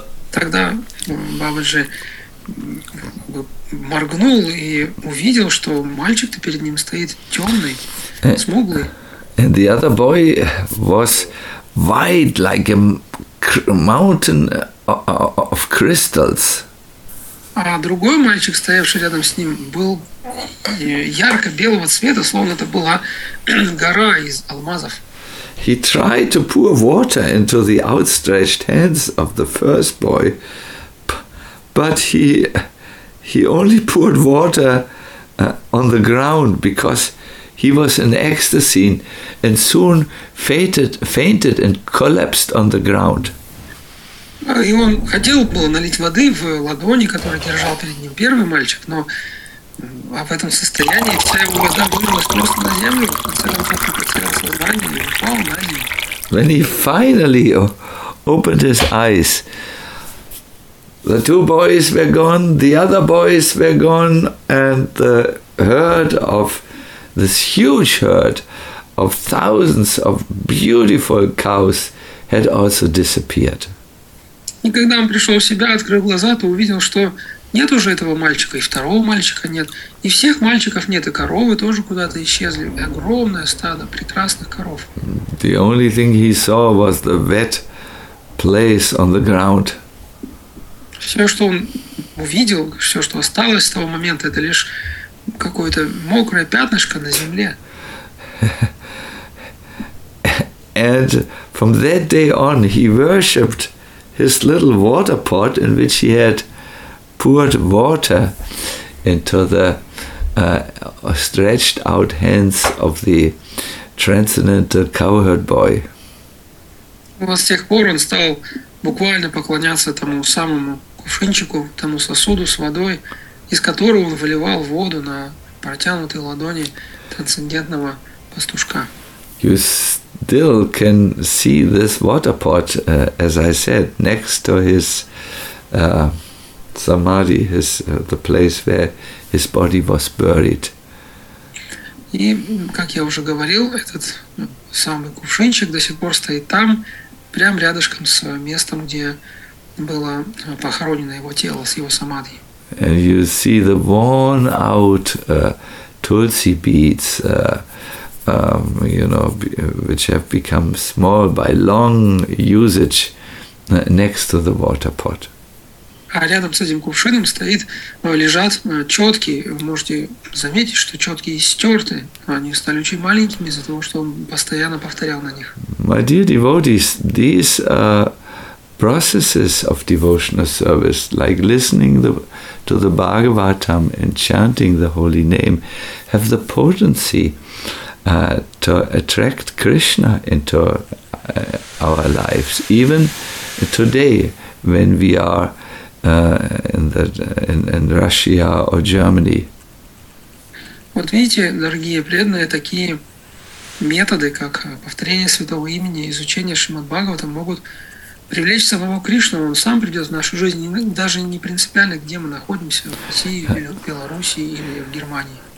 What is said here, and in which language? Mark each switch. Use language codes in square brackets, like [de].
[ru] Тогда Бабаджи моргнул и увидел, что мальчик-то перед ним стоит темный, смуглый. [en] And the other boy was white like a mountain of crystals. [ru] А другой мальчик, стоявший рядом с ним, был ярко-белого цвета, словно это была гора из алмазов. [en] He tried to pour water into the outstretched hands of the first boy, but he only poured water on the ground because he was in ecstasy and soon fainted and collapsed on the ground. [ru] И он хотел было налить воды в ладони, которую держал перед ним первый мальчик, но в этом состоянии вся его вода вылилась просто на землю, в конце концов он потерял сознание и упал на землю. [en] When he finally opened his eyes, the two boys were gone, the other boys were gone, and the herd of this huge herd of thousands of beautiful cows had also disappeared. [ru] И когда он пришел в себя, открыл глаза, то увидел, что нет уже этого мальчика, и второго мальчика нет, и всех мальчиков нет, и коровы тоже куда-то исчезли, и огромное стадо прекрасных коров. [en] The only thing he saw was the wet place on the ground. [ru] Все, что он увидел, все, что осталось с того момента, это лишь какое-то мокрое пятнышко на земле. [en] And from that day on, he worshipped his little water pot in which he had poured water into the stretched out hands of the transcendental cowherd boy. [ru] С тех пор он стал буквально поклоняться тому самому кувшинчику, тому сосуду с водой, из которого он выливал воду на протянутые ладони трансцендентного пастушка. [en] Still can see this water pot, as I said, next to his Samadhi, his the place where his body was buried. [ru] И, как я уже говорил, этот самый кувшинчик до сих пор стоит там, прям рядышком с местом, где было похоронено его тело с его самадхи. [en] And you see the worn out tulsi beads, you know, which have become small by long usage next to the water pot. [ru] А рядом с этим кувшином стоит, лежат четки. Вы можете заметить, что четки истерты. Они стали очень маленькими из-за того, что он постоянно повторял на них. [en] My dear devotees, these processes of devotional service, like listening to the Bhagavatam and chanting the holy name, have the potency to attract Krishna into our lives. Even today, when we are in Russia or Germany. [ru] Вот видите, дорогие преданные, такие методы, как повторение святого имени, изучение Шримад-Бхагаватам могут привлечь самого Кришну. Он сам придет в нашу жизнь, даже не принципиально, где мы находимся, в России, в Беларуси или в Германии.